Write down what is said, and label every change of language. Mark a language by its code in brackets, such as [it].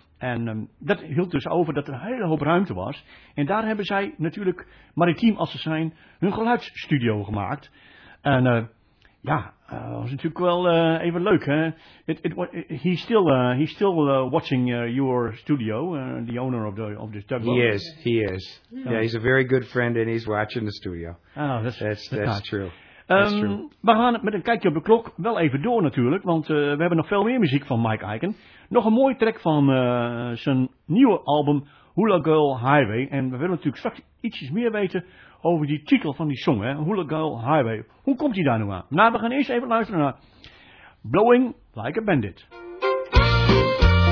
[nl] En dat hield dus over dat er een hele hoop ruimte was. En daar hebben zij natuurlijk, maritiem als ze zijn, hun geluidsstudio gemaakt. En was natuurlijk wel even leuk, hè? [en] He's still watching your studio, the owner of the tugboat. He is. So. Yeah, he's a very good friend and he's watching the studio. Oh, that's true. [nl] We gaan met een kijkje op de klok wel even door natuurlijk, want we hebben nog veel meer muziek van Mike Eiken. Nog een mooie track van zijn nieuwe album Hula Girl Highway. En we willen natuurlijk straks ietsjes meer weten over die titel van die song, hè? Hula Girl Highway. Hoe komt die daar nou aan? Nou, we gaan eerst even luisteren naar Blowing Like a Bandit.